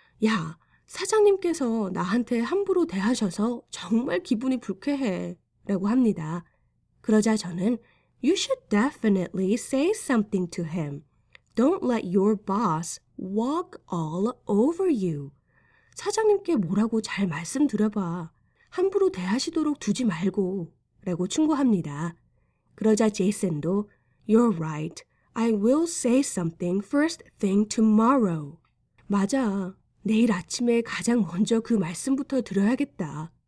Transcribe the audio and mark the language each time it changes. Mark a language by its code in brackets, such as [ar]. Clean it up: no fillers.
[ko] 야, 사장님께서 나한테 함부로 대하셔서 정말 기분이 불쾌해 라고 합니다. 그러자 저는 [en] You should definitely say something to him. Don't let your boss walk all over you. [ko] 사장님께 뭐라고 잘 말씀드려봐. 함부로 대하시도록 두지 말고 라고 충고합니다. 그러자 제이슨도 [en] You're right. I will say something first thing tomorrow. [ko] 맞아. 내일 아침에 가장 먼저 그 말씀부터 드려야겠다.